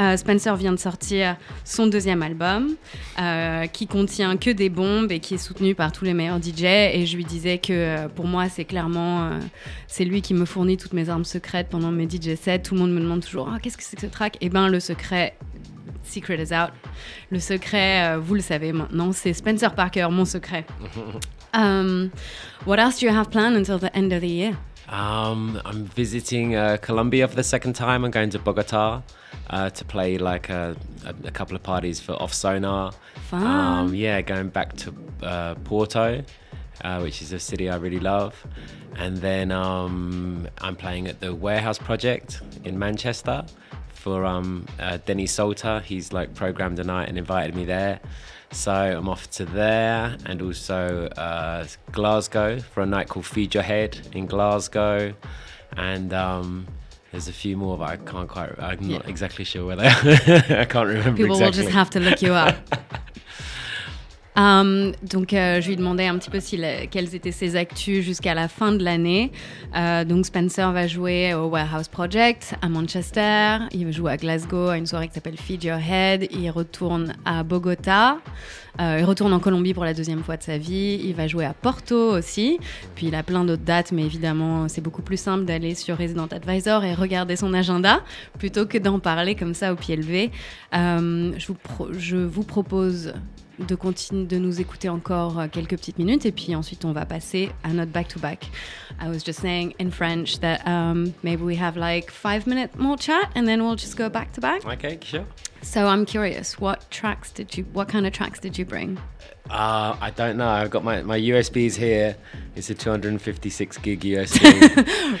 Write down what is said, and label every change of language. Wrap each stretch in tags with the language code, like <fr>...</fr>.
<fr>Spencer vient de sortir son deuxième album qui contient que des bombes et qui est soutenu par tous les meilleurs DJ. Et je lui disais que pour moi, c'est clairement c'est lui qui me fournit toutes mes armes secrètes pendant mes DJ sets. Tout le monde me demande toujours qu'est-ce que c'est que ce track. Et ben, le secret,</fr> <en>secret is out.</en> <fr>Le secret, vous le savez maintenant, c'est Spencer Parker, mon secret.</fr> <en>What else do you have planned until the end of the year? I'm visiting Colombia for the second time. I'm going to Bogota to play like a couple of parties for Off Sonar. Fun. Going back to Porto, which is a city I really love. And then I'm playing at the Warehouse Project in Manchester for Denny Salter. He's like programmed a night and invited me there. So I'm off to there, and also Glasgow for a night called Feed Your Head in Glasgow. And there's a few more, but I can't quite, I'm not exactly sure where they are. I can't remember. People exactly. will just have to look you up.</en> <fr>je lui ai demandé un petit peu quelles étaient ses actus jusqu'à la fin de l'année. Donc Spencer va jouer au Warehouse Project à Manchester, il va jouer à Glasgow à une soirée qui s'appelle Feed Your Head, il retourne à Bogota, il retourne en Colombie pour la deuxième fois de sa vie, il va jouer à Porto aussi, puis il a plein d'autres dates, mais évidemment c'est beaucoup plus simple d'aller sur Resident Advisor et regarder son agenda plutôt que d'en parler comme ça au pied levé. Je vous propose de nous écouter encore quelques petites minutes et puis ensuite on va passer à notre back-to-back.</fr> <en>I was just saying in French that maybe we have like 5 minutes more chat and then we'll just go back-to-back. Okay, sure. So I'm curious, what kind of tracks did you bring? I don't know. I've got my USBs here. It's a 256 gig USB.</en>